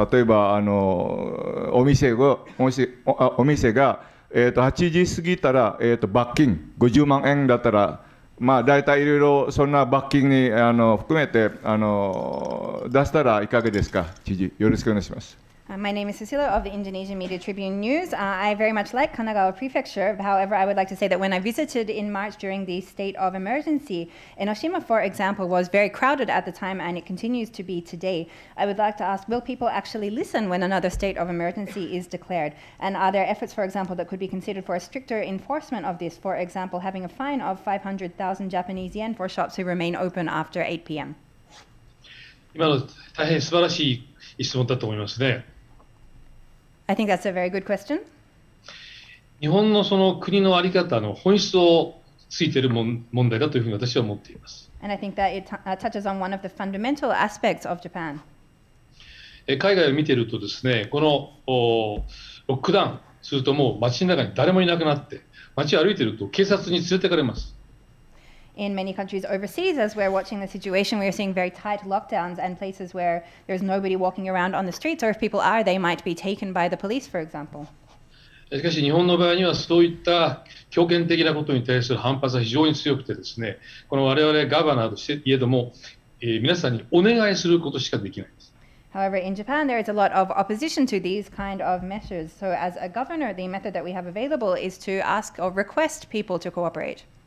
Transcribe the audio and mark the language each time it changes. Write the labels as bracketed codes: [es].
[ja] 例えばお店が、8時過ぎたら、罰金50万円だったら、まあ、大体いろいろそんな罰金に含めて出したらいかがですか、知事。よろしくお願いします。 [en] My name is Cecilia of the Indonesian Media Tribune News. I very much like Kanagawa Prefecture. However, I would like to say that when I visited in March during the state of emergency, Enoshima, for example, was very crowded at the time and it continues to be today. I would like to ask, will people actually listen when another state of emergency is declared? And are there efforts, for example, that could be considered for a stricter enforcement of this? For example, having a fine of 500,000 Japanese yen for shops who remain open after 8 p.m. [ja] 今の大変素晴らしい質問だと思いますね。 [en] I think that's a very good question. [ja] 日本のその国のあり方の本質をついている問題だというふうに私は思っています。 [en] And I think that it touches on one of the fundamental aspects of Japan. [ja] 海外を見ているとですね、このロックダウンするともう街の中に誰もいなくなって、街を歩いていると警察に連れてかれます。 [en] In many countries overseas, as we're watching the situation, we're seeing very tight lockdowns and places where there's nobody walking around on the streets, or if people are, they might be taken by the police, for example. [ja] しかし日本の場合にはそういった強権的なことに対する反発は非常に強くてですね、この我々ガバナーとしていえども、皆さんにお願いすることしかできないんです。 [en] However, in Japan, there is a lot of opposition to these kind of measures. So as a governor, the method that we have available is to ask or request people to cooperate.